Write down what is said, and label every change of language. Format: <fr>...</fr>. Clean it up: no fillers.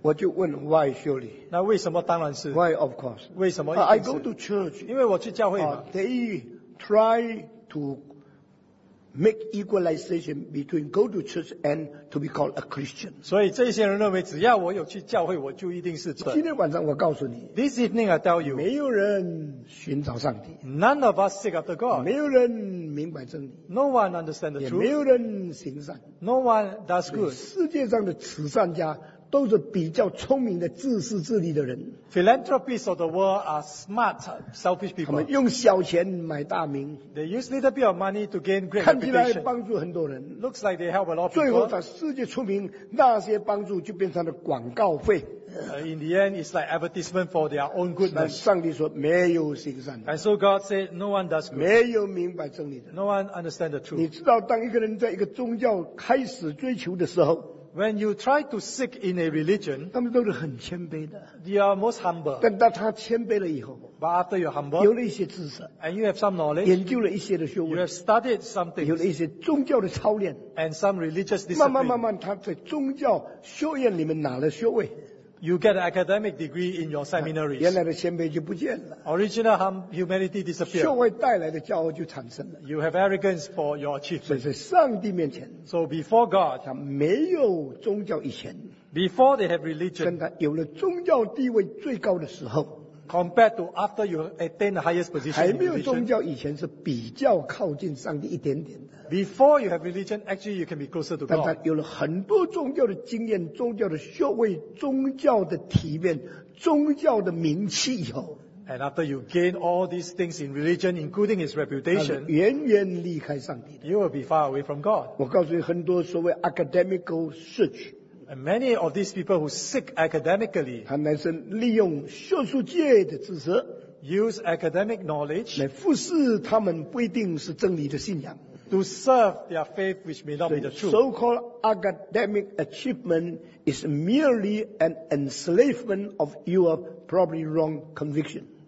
<zh>我就问,</zh> <en>why surely?</en> <zh>那为什么当然是,</zh> <en>why of course?</en> <zh>为什么,</zh> <en>I go to church.</en> <zh>因为我去教会嘛,</zh> <en>they try to make equalization between go to church and to be called a Christian.</en> <zh>所以这些人认为只要我有去教会我就一定是真。今天晚上我告诉你,</zh> <en>This evening I tell you,</en> <zh>没有人寻找上帝,</zh> <en>None of us seek after God.</en> <zh>没有人明白真理,</zh> <en>No one understands the truth.</en> <zh>也没有人行善,</zh> <en>No one does good.</en> <zh>世界上的慈善家, 都是比较聪明的自私自利的人。</zh> <en>Philanthropists of the world are smart, selfish people.</en> <zh>他们用小钱买大名。</zh> <en>They use little bit of money to gain great</en> <zh>看起来帮助很多人。</zh> <en>Looks like they help a lot of people.</en> <zh>最后把世界出名, 那些帮助就变成了广告费。</zh> <en>In the end, it's like advertisement for their own goodness.</en> <zh>上帝说没有行善。</zh> <en>And so God said, no one does good.</en> <zh>没有明白真理的。</zh> <en>No one understands the truth.</en> <zh>你知道当一个人在一个宗教开始追求的时候,</zh> <en>When you try to seek in a religion, they are most humble.</en> <zh>但当他谦卑了以后,</zh> <en>but after you're humble,</en> <zh>有了一些知识,</zh> <en>and you have some knowledge,</en> <zh>研究了一些的学问,</zh> <en>you have studied something,</en> <zh>有了一些宗教的操练,</zh> <en>and some religious discipline.</en> <zh>慢慢慢慢他在宗教学院里面拿了学位,</zh> <en>you get an academic degree in your seminaries.</en> <zh>原来的谦卑就不见了,</zh> <en>original humility disappeared.</en> <zh>社会带来的骄傲就产生了,</zh> <en>you have arrogance for your achievement.</en> <zh>这是上帝面前,</zh> <en>so before God,</en> <zh>没有宗教以前,</zh> <en>before they have religion,</en> <zh>跟他有了宗教地位最高的时候,</zh> <en>compared to after you attain the highest position,</en> <zh>还没有宗教以前是比较靠近上帝一点点的,</zh> <en>before you have religion, actually you can be closer to God.</en> <zh>但他有了很多宗教的经验, 宗教的学位, 宗教的体面, 宗教的名气以后,</zh> <en>and after you gain all these things in religion, including his reputation,</en> <zh>他是远远离开上帝的,</zh> <en>you will be far away from God.</en> <zh>我告诉你很多所谓</zh> <en>academical search, and many of these people who seek academically,</en> <zh>他乃是利用学术界的知识,</zh> <en>use academic knowledge,</en> <zh>来复试他们不一定是真理的信仰,</zh> <en>to serve their faith which may not be the truth. So-called academic achievement is merely an enslavement of your probably wrong conviction.</en>